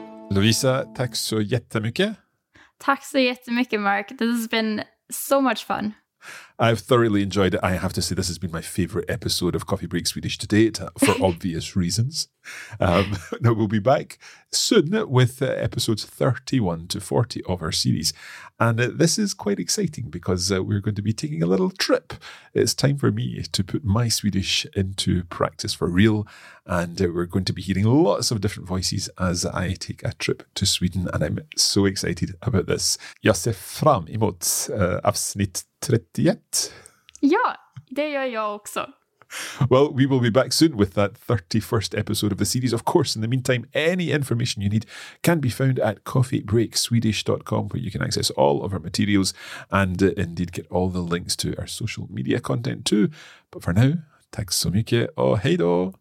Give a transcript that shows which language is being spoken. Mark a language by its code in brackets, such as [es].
[sv] Lovisa, tack så jättemycket. Tack så jättemycket, Mark. [en] This has been so much fun. I've thoroughly enjoyed it. I have to say this has been my favorite episode of Coffee Break Swedish to date, for obvious reasons. Now we'll be back soon with episodes 31 to 40 of our series. And this is quite exciting because we're going to be taking a little trip. It's time for me to put my Swedish into practice for real. And we're going to be hearing lots of different voices as I take a trip to Sweden. And I'm so excited about this. [sv] Jag ser fram emot avsnitt 31. Ja, det gör jag också. [en] Well, we will be back soon with that 31st episode of the series. Of course, in the meantime, any information you need can be found at coffeebreakswedish.com, where you can access all of our materials and indeed get all the links to our social media content too. But for now, [sv] tack så mycket och hej då!